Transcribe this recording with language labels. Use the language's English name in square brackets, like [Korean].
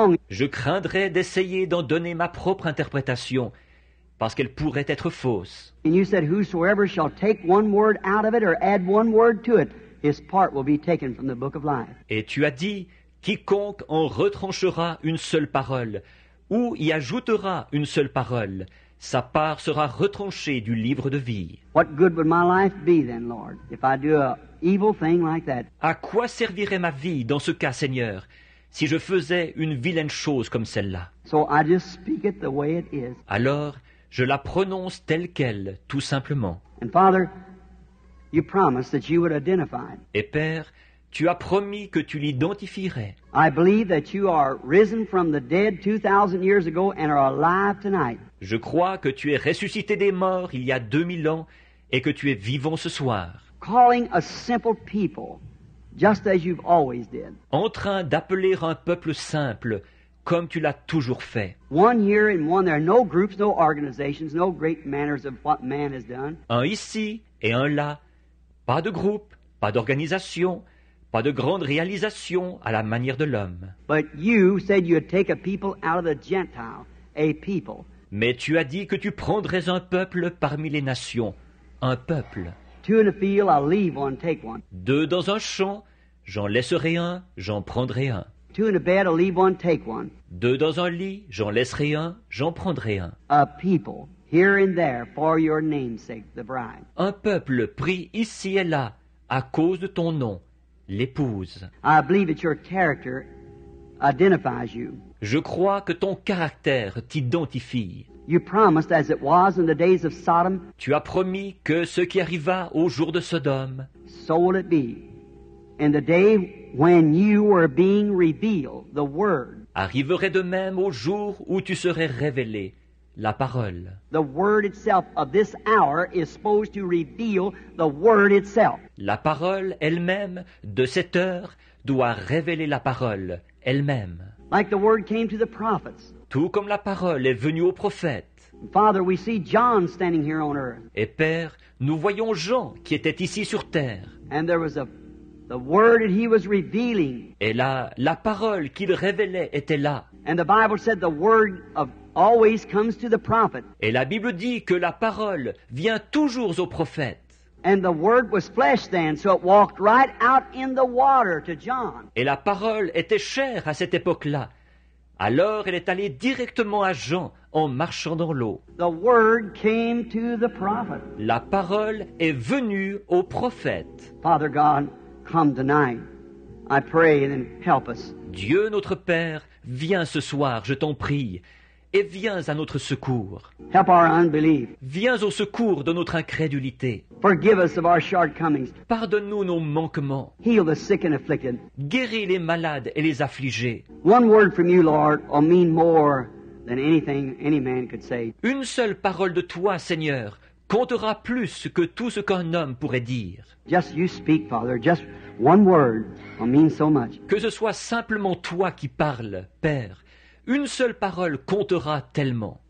[French] Je craindrais d'essayer d'en donner ma propre interprétation parce qu'elle pourrait être fausse. [English] And you said, whosoever shall take one word out of it or add one word to it, his part will be taken from the book of life. [French] Et tu as dit, quiconque en retranchera une seule parole ou y ajoutera une seule parole, sa part sera retranchée du livre de vie. [English] What good would my life be then, Lord, if I do a evil thing like that? [French] À quoi servirait ma vie dans ce cas, Seigneur, si je faisais une vilaine chose comme celle-là? [English] So I just speak it the way it is. [French] Alors, je la prononce telle quelle, tout simplement. [English] And Father, you promised that you would identify. [French] Et Père, tu as promis que tu l'identifierais. [English] I believe that you are risen from the dead 2000 years ago and are alive tonight. [French] Je crois que tu es ressuscité des morts il y a 2000 ans et que tu es vivant ce soir. [English] Calling a simple people just as you've always did. [French] En train d'appeler un peuple simple comme tu l'as toujours fait. [English] One here and one there, no groups, no organizations, no great manners of what man has done. [French] Un ici et un là, pas de groupe, pas d'organisation. Pas de grande réalisation à la manière de l'homme. [English] But you said you'd take a people out of the Gentile, a people. [French] Mais tu as dit que tu prendrais un peuple parmi les nations, un peuple. [English] Two in a field, I'll leave one, take one. [French] Deux dans un champ, j'en laisserai un, j'en prendrai un. [English] Two in a bed, I'll leave one, take one. [French] Deux dans un lit, j'en laisserai un, j'en prendrai un. [English] A people, here and there, for your namesake, the bride. [French] Un peuple pris ici et là, à cause de ton nom. L'épouse. [English] I believe that your character identifies you. [French] Je crois que ton caractère t'identifie. [English] You promised as it was in the days of Sodom. [French] Tu as promis que ce qui arriva au jour de Sodome. [English] So will it be in the day when you were being revealed, the word. [French] Arriverait de même au jour où tu serais révélé, la parole. [English] The word itself of this hour is supposed to reveal the word itself. [French] La parole elle-même de cette heure doit révéler la parole elle-même. [English] Like the word came to the prophets. [French] Tout comme la parole est venue aux prophètes. [English] Father, we see John standing here on earth. [French] Et Père, nous voyons Jean qui était ici sur terre. [English] And there was the word that he was revealing. [French] Et la parole qu'il révélait était là. [English] And the Bible said the word of always comes to the prophet. [French] Et la Bible dit que la parole vient toujours au prophète. [English] And the word was flesh then, so it walked right out in the water to John. [French] Et la parole était chair à cette époque-là. Alors elle est allée directement à Jean en marchant dans l'eau. [English] The word came to the prophet. [French] La parole est venue au prophète. [English] Father God, come tonight. I pray and help us. [French] Dieu notre Père, viens ce soir, je t'en prie. et viens à notre secours. [English] Help our unbelief. [French] Viens au secours de notre incrédulité. [English] Forgive us of our shortcomings. [French] Pardonne-nous nos manquements. [English] Heal the sick and afflicted. [French] Guéris les malades et les affligés. [English] One word from you, Lord, will mean more than anything any man could say. [French] Une seule parole de toi, Seigneur, comptera plus que tout ce qu'un homme pourrait dire. [English] Just you speak, Father. Just one word will mean so much. [French] Que ce soit simplement toi qui parles, Père. Une seule parole comptera tellement.